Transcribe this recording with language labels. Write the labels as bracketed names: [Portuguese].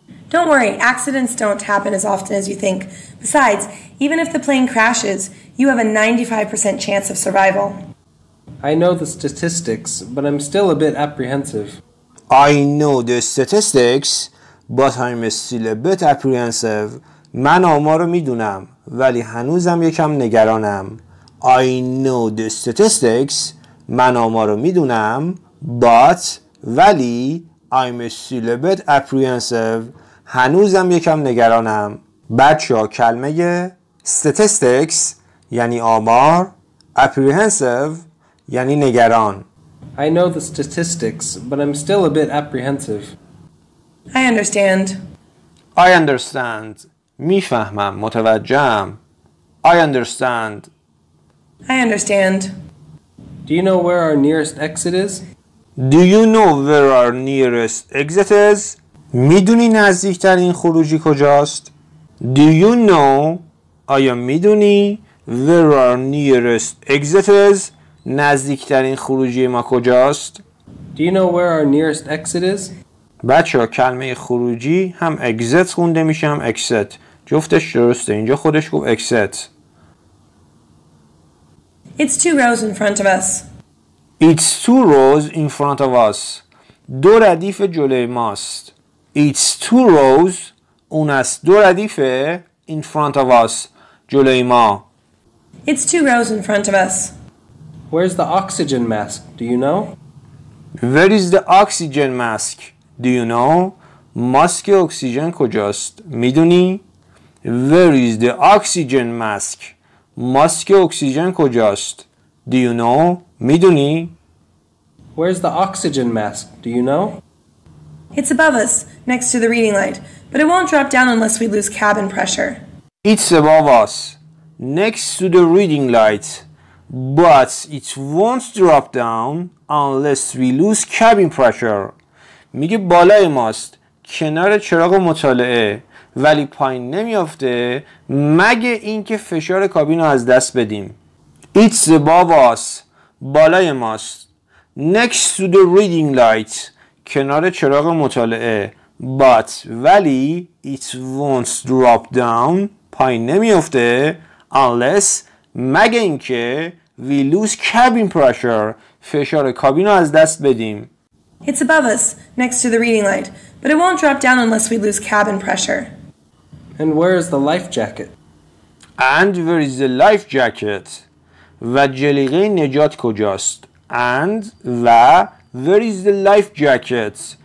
[English] Don't worry, accidents don't happen as often as you think. Besides, even if the plane crashes, you have a 95% chance of survival. I know the statistics, but I'm still a bit apprehensive. I know the statistics, but I'm still a bit apprehensive. [Persian] من آمارو میدونم ولی هنوزم یکم نگرانم. [English] I know the statistics. [Persian] من آمارو میدونم [English] but [Persian] ولی [English] I'm still a bit apprehensive. [Persian] هنوزم یکم نگرانم. بچه‌ها کلمه statistics یعنی آمار، apprehensive یعنی نگران. [English] I know the statistics, but I'm still a bit apprehensive. I understand. I understand. [Persian] میفهمم، متوجهم. [English] I understand. I understand. Do you know where our nearest exit is? Do you know where our nearest exit is? [Persian] میدونی نزدیکترین خروجی کجاست؟ [English] Do you know? [Persian] آیا میدونی [English] where our nearest exit is? [Persian] نزدیکترین خروجی ما کجاست؟ [English] Do you know where our nearest exit is? [Persian] بچه ها کلمه خروجی هم exit خونده میشه هم exit. جفتش درسته. اینجا خودش گفت exit. [English] It's two rows in front of us. It's two rows in front of us. [Persian] دو ردیف جلوی ماست. [English] It's two rows. [Persian] اون است دو ردیف [English] in front of us. [Persian] جلوی ما. [English] It's two rows in front of us. Where's the oxygen mask? Do you know? Where is the oxygen mask? Do you know? [Persian] ماسک اکسیژن کجاست؟ میدونی؟ [English] Where is the oxygen mask? [Persian] ماسک اکسیژن کجاست؟ [English] Do you know? [Persian] میدونی؟ [English] Where's the oxygen mask? Do you know? It's above us, next to the reading light. But it won't drop down unless we lose cabin pressure. It's above us, next to the reading light. But it won't drop down unless we lose cabin pressure. [Persian] میگه بالای ماست کنار چراغ مطالعه ولی پایین نمیافته مگه اینکه فشار کابین رو از دست بدیم. [English] It's above us. [Persian] بالای ماست. [English] Next to the reading light. [Persian] کنار چراغ مطالعه. [English] But [Persian] ولی [English] it won't drop down. [Persian] پایین نمیافته [English] unless [Persian] مگه اینکه [English] we lose cabin pressure. [Persian] فشار کابین رو از دست بدیم. [English] It's above us, next to the reading light, but it won't drop down unless we lose cabin pressure. And where is the life jacket? And where is the life jacket? [Persian] و جلیقه نجات کجاست؟ [English] And [Persian] و [English] where is the life jacket?